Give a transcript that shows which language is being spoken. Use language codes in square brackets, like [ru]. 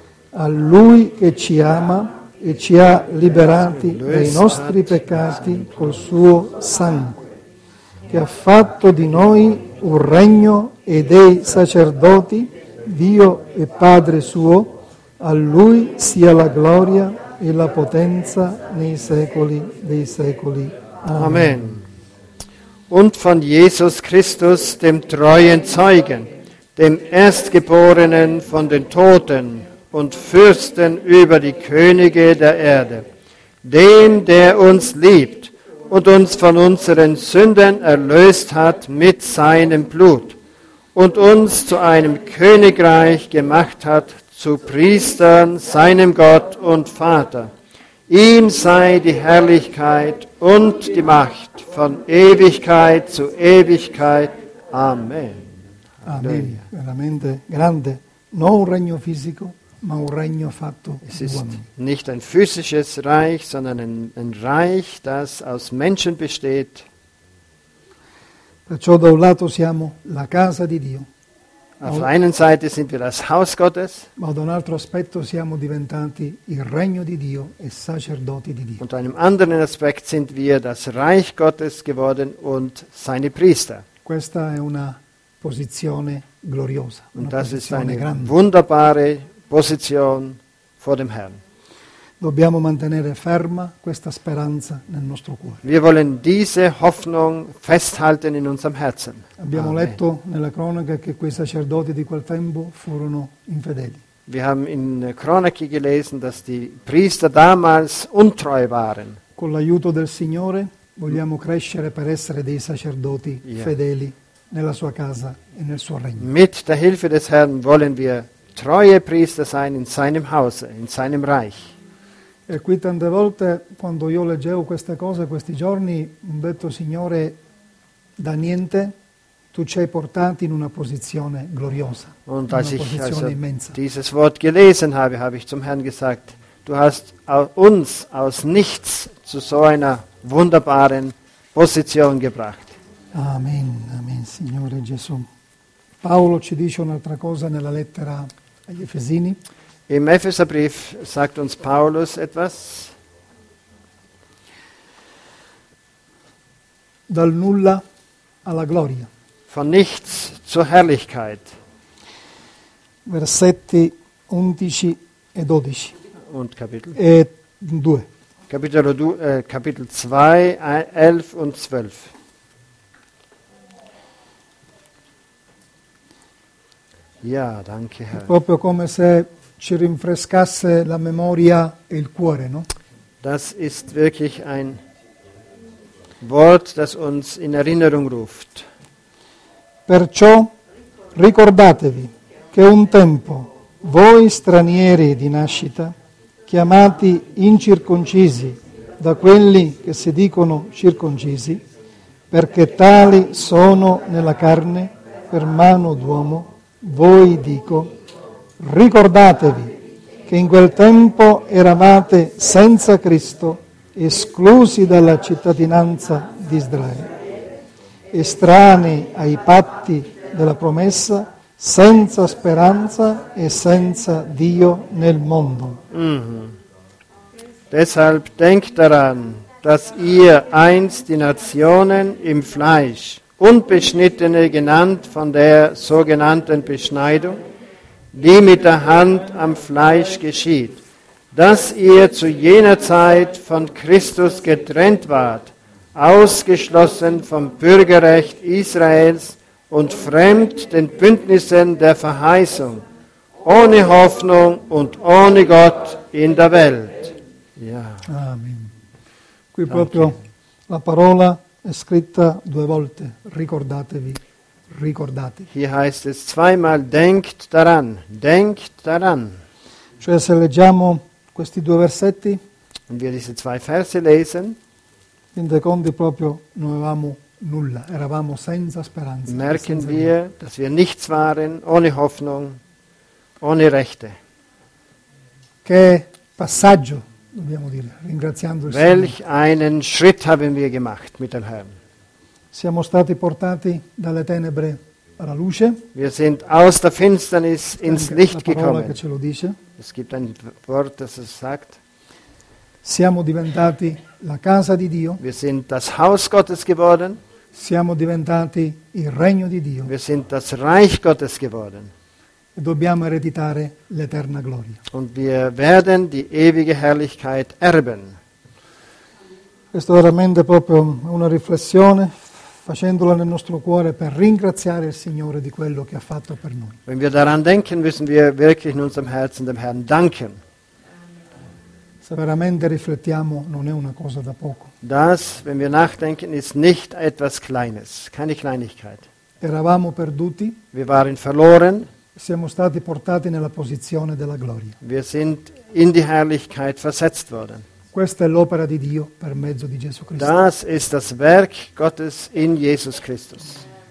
[it] A Lui che ci ama e ci ha liberati dai nostri peccati col suo sangue, che ha fatto di noi un regno e dei sacerdoti, Dio e Padre suo, a Lui sia la gloria e la potenza nei secoli dei secoli. Amen. [de] Und von Jesus Christus, dem treuen Zeugen, dem Erstgeborenen von den Toten und Fürsten über die Könige der Erde, dem, der uns liebt und uns von unseren Sünden erlöst hat mit seinem Blut und uns zu einem Königreich gemacht hat, zu Priestern, seinem Gott und Vater. Ihm sei die Herrlichkeit und die Macht von Ewigkeit zu Ewigkeit. Amen. [it] Amen. Veramente grande. Non un regno fisico, ma un regno fatto. [de] Es ist nicht ein physisches Reich, sondern ein Reich, das aus Menschen besteht. [it] Perciò da un lato siamo la casa di Dio. [de] Auf der einen Seite sind wir das Haus Gottes. [it] Ma ad un altro aspetto siamo diventati il regno di Dio e sacerdoti di Dio. [de] Unter einem anderen Aspekt sind wir das Reich Gottes geworden und seine Priester. [it] Questa è una posizione gloriosa. [de] Und das ist eine wunderbare Position vor dem Herrn. [it] Dobbiamo mantenere ferma questa speranza nel nostro cuore. [de] Wir wollen diese Hoffnung festhalten in unserem Herzen. [it] Abbiamo Amen. Letto nella cronaca che quei sacerdoti di quel tempo furono infedeli. [de] Wir haben in Chroniche gelesen, dass die Priester damals untreu waren. [it] Con l'aiuto del Signore, Vogliamo crescere per essere dei sacerdoti fedeli nella sua casa e nel suo regno. [de] Mit der Hilfe des Herrn wollen wir treue Priester sein in seinem Hause, in seinem Reich. [it] E qui tante volte, quando io leggevo queste cose questi giorni, ho detto: Signore, da niente tu ci hai portati in una posizione gloriosa, [de] und [it] in una posizione immensa. [de] Dieses Wort gelesen habe, habe ich zum Herrn gesagt: Du hast uns aus nichts zu so einer wunderbaren Position gebracht. [it] Amen, amen, Signore Gesù. Paolo ci dice un'altra cosa nella lettera agli Efesini. [de] Im Epheserbrief sagt uns Paulus etwas. [it] Dal nulla alla gloria. [de] Von nichts zur Herrlichkeit. [it] Versetti 11 e 12. [de] Und Kapitel? [it] E due. [de] Kapitel 2, 11 und 12. Ja, danke, Herr. [it] Proprio come se ci rinfrescasse la memoria e il cuore, no? [de] Das ist wirklich ein Wort, das uns in Erinnerung ruft. [it] Perciò ricordatevi che un tempo voi stranieri di nascita, chiamati incirconcisi da quelli che si dicono circoncisi, perché tali sono nella carne per mano d'uomo, voi dico, ricordatevi che in quel tempo eravate senza Cristo, esclusi dalla cittadinanza di Israele, estranei ai patti della promessa, senza speranza e senza Dio nel mondo. Mm-hmm. [de] Deshalb denkt daran, dass ihr einst die Nationen im Fleisch, Unbeschnittene genannt von der sogenannten Beschneidung, die mit der Hand am Fleisch geschieht, dass ihr zu jener Zeit von Christus getrennt wart, ausgeschlossen vom Bürgerrecht Israels und fremd den Bündnissen der Verheißung, ohne Hoffnung und ohne Gott in der Welt. Ja. Amen. [it] Qui proprio la parola è scritta due volte. Ricordatevi. Ricordate. [de] Hier heißt es zweimal: denkt daran, denkt daran. [it] Cioè, se leggiamo questi due versetti, [de] und wir diese zwei Verse lesen, [it] in dei conti proprio non avevamo nulla, eravamo senza speranza. [de] Merken wir, dass wir nichts waren, ohne Hoffnung, ohne Rechte. [it] Che passaggio dobbiamo dire, ringraziando il [de] Welch [it] Signore. [de] Einen Schritt haben wir gemacht mit dem Herrn. [it] Siamo stati portati dalle tenebre alla luce. [de] Wir sind aus der Finsternis ins Licht gekommen. [it] Che ce lo dice. [de] Es gibt ein Wort, das es sagt. [it] Siamo diventati la casa di Dio. [de] Wir sind das Haus Gottes geworden. [it] Siamo diventati il regno di Dio. [de] Wir sind das Reich Gottes geworden. [it] E dobbiamo ereditare l'eterna gloria. [de] Und wir werden die ewige Herrlichkeit erben. [it] Questo veramente proprio una riflessione, facendola nel nostro cuore per ringraziare il Signore di quello che ha fatto per noi. [de] Wenn wir daran denken, müssen wir wirklich in unserem Herzen dem Herrn danken. [it] Se veramente riflettiamo, non è una cosa da poco. [de] Das, wenn wir nachdenken, ist nicht etwas Kleines, keine Kleinigkeit. [it] Eravamo perduti. [de] Wir waren verloren. [it] Siamo stati portati nella posizione della gloria. [de] Wir sind in die Herrlichkeit versetzt worden. [it] Questa è l'opera di Dio per mezzo di Gesù Cristo. [de] Das ist das Werk Gottes in Jesus Christus.